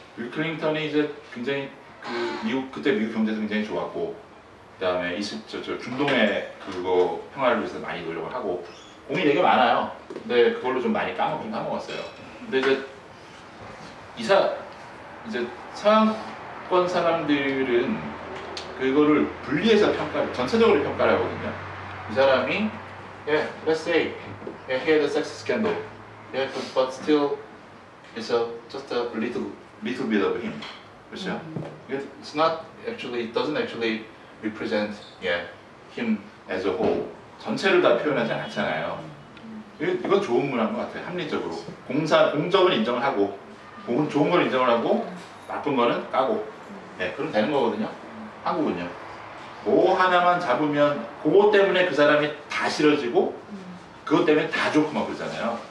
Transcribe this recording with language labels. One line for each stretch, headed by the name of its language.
Korean: 빌 클린턴이 이제 굉장히 그 미국 그때 미국 경제도 굉장히 좋았고 그다음에 이슬 저 중동의 그거 평화를 위해서 많이 노력을 하고 공이 되게 많아요. 근데 그걸로 좀 많이 까먹긴 까먹었어요. 근데 이제 이사 이제 서양권 사람들은 그거를 분리해서 평가를 전체적으로 평가를 하거든요. 이 사람이 예,
English: let's say yeah, he had a sex scandal. Yeah, but still it's a, just a little bit of him.
Korean: 그렇죠?
English: It's not actually it doesn't actually represent yeah, him as a whole.
Korean: 전체를 다 표현하지 않잖아요. 이건 좋은 문화인 것 같아요. 합리적으로. 공적은 인정을 하고 좋은 걸 인정을 하고 나쁜 거는 까고. 예, 네, 그럼 되는 거거든요. 한국은요. 뭐 하나만 잡으면 그거 때문에 그 사람이 다 싫어지고 그것 때문에 다 좋고 막 그러잖아요.